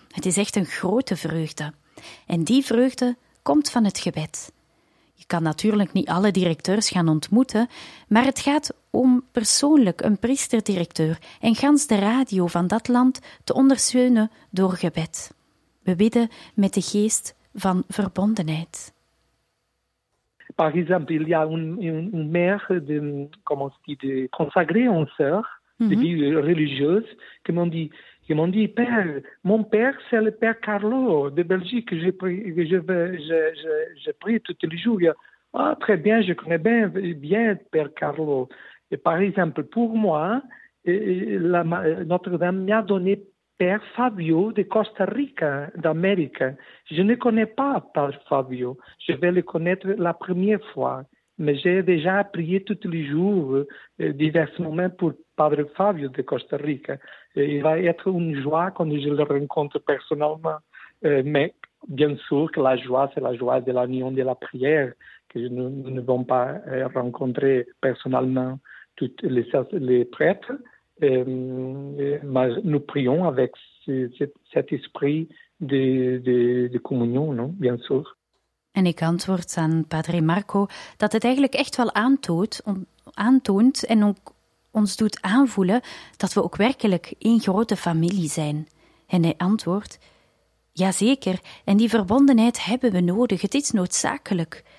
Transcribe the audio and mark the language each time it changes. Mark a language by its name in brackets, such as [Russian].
[Dutch] Het is echt een grote vreugde. En die vreugde komt van het gebed. Je kan natuurlijk niet alle directeurs gaan ontmoeten, maar het gaat om persoonlijk een priesterdirecteur en gans de radio van dat land te ondersteunen door gebed. We bidden met de geest van verbondenheid. [French] Par exemple, il y a une mère de, comment on dit, de consacrée en sœur, de vie religieuse, qui m'ont dit, père, mon père, c'est le père Carlo de Belgique, je prie tous les jours. Ah, très bien, je connais bien père Carlo. Et par exemple, pour moi, Notre-Dame m'a donné père Fabio de Costa Rica, d'Amérique. Je ne connais pas père Fabio. Je vais le connaître la première fois. mais j'ai déjà prié tous les jours, divers moments, pour Padre Fabio de Costa Rica. Et il va être une joie quand je le rencontre personnellement. Mais bien sûr que la joie, c'est la joie de l'union de la prière, que nous ne vont pas rencontrer personnellement tous les prêtres. Mais nous prions avec cet esprit de communion, non? Bien sûr. [Dutch] En ik antwoord aan Padre Marco dat het eigenlijk echt wel aantoont en ook ons doet aanvoelen dat we ook werkelijk één grote familie zijn. En hij antwoordt, jazeker, en die verbondenheid hebben we nodig, het is noodzakelijk.